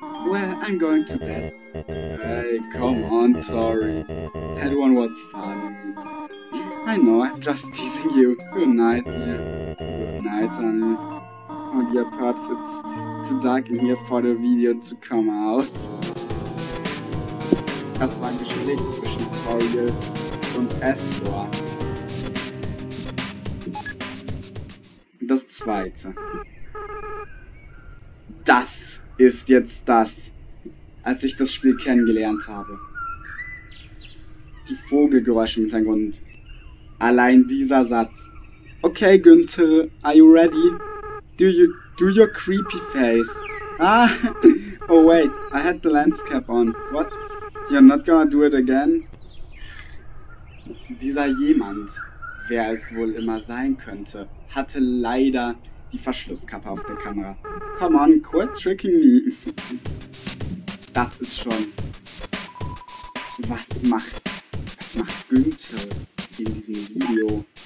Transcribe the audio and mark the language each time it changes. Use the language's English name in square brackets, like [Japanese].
[English] Well, I'm going to bed. Hey, come on, Tori. That one was funny. I know, I'm just teasing you. Good night, dear. Good night, honey. Oh dear, perhaps it's too dark in here for the video to come out. [German] Das war ein Gespräch zwischen Toriel und Escor. Das zweite. Das ist jetzt das, als ich das Spiel kennengelernt habe. Die Vogelgeräusche im Hintergrund. Allein dieser Satz. [English] Okay, Günther, are you ready? Do your creepy face. Ah, oh wait, I had the lens cap on. What? You're not gonna do it again? [German] Dieser jemand, wer es wohl immer sein könnte, hatte leider die Verschlusskappe auf der Kamera. [English] Come on, quit tricking me. [German] Das ist schon... Was macht Günther in diesem Video?